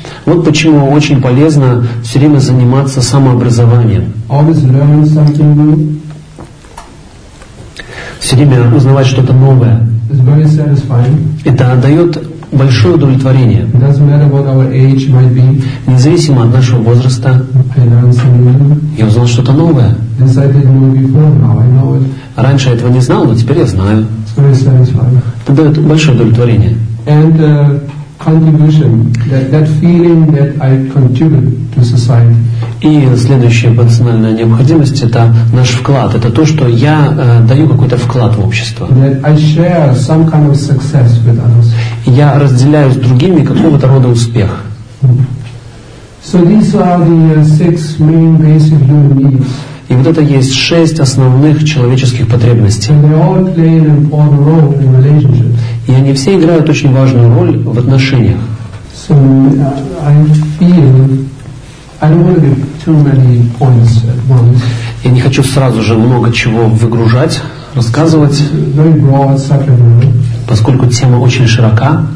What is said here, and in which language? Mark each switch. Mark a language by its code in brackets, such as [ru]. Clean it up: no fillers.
[ru] Вот почему очень полезно все время заниматься самообразованием. [en] Always learn something new. [ru] Все время узнавать что-то новое. [en] It's very satisfying. [ru] Это дает большое удовлетворение. [en] It doesn't matter what our age might be. [ru] Независимо от нашего возраста. [en] I learned something new. [ru] Я узнал что-то новое. [en] Yes, I didn't know before, now I know it. [ru] Раньше я этого не знал, но теперь я знаю. [en] It's very satisfying. [ru] Это дает большое удовлетворение. [en] And contribution, that feeling that I contribute to society. [ru] И следующая эмоциональная необходимость это наш вклад, это то, что я даю какой-то вклад в общество. [en] That I share some kind of success with others. [ru] Я разделяю с другими какого-то рода успех. [en] So these are the six main basic human needs. [ru] И вот это есть шесть основных человеческих потребностей. [en] And they all play an important role in relationships. [ru] И они все играют очень важную роль в отношениях. [en] So I feel I don't want to give too many points at once. [ru] Я не хочу сразу же много чего выгружать, рассказывать. [en] Very broad subject, right? [ru] Поскольку тема очень широка.